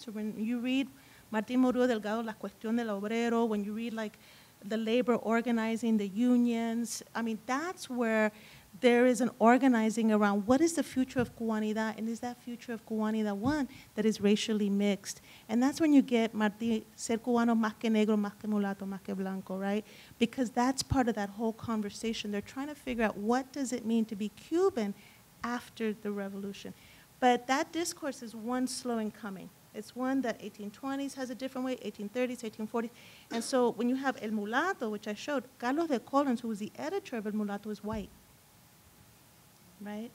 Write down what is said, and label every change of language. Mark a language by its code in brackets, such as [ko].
[en] So when you read Martín Murillo Delgado, La Cuestión del Obrero, when you read like the labor organizing, the unions, I mean, that's where there is an organizing around what is the future of Cubanidad, and is that future of Cubanidad one that is racially mixed? And that's when you get Martí, [es] ser cubano más que negro, más que mulato, más que blanco, right? [en] Because that's part of that whole conversation. They're trying to figure out what does it mean to be Cuban after the revolution. But that discourse is one slow in coming. It's one that 1820s has a different way, 1830s, 1840s. And so when you have El Mulato, which I showed, Carlos de Collins, who was the editor of El Mulato, is white. Right?